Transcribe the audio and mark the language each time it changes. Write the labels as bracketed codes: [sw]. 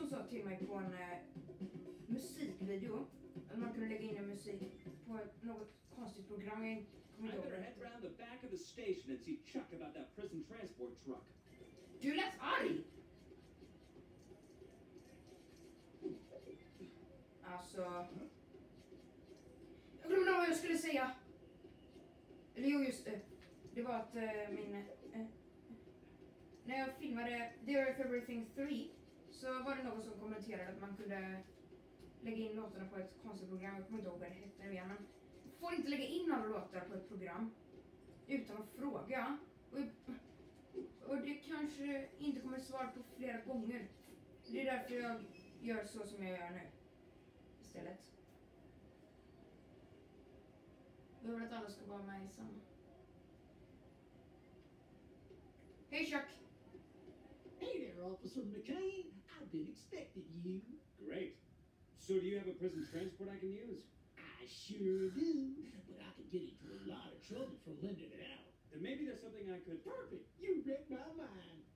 [sv] till mig på en musikvideo. Man kunde lägga in en musik på något konstigt program. Jag kommer ihåg. [en] I better head around the back of the station and see Chuck about that prison transport truck. Du, that's Ari! [sv] Alltså... Jag glömde vad jag skulle säga. Eller jo, just det. Det var att min... När jag filmade The Earth Everything 3 så var det någon som kommenterade att man kunde lägga in låtarna på ett konstprogram. Jag kommer inte ihåg vad det hette nu igen, men får inte lägga in några låtar på ett program utan att fråga. Och det kanske inte kommer svar på flera gånger. Det är därför jag gör så som jag gör nu istället. Jag vill att alla ska vara med i samma. Hej Chuck! [en] Hey there, Officer McCain. I've been expecting you. Great. So do you have a prison transport I can use? I sure do, but I could get into a lot of trouble for lending it out. Then maybe there's something I could... Perfect. You read my mind.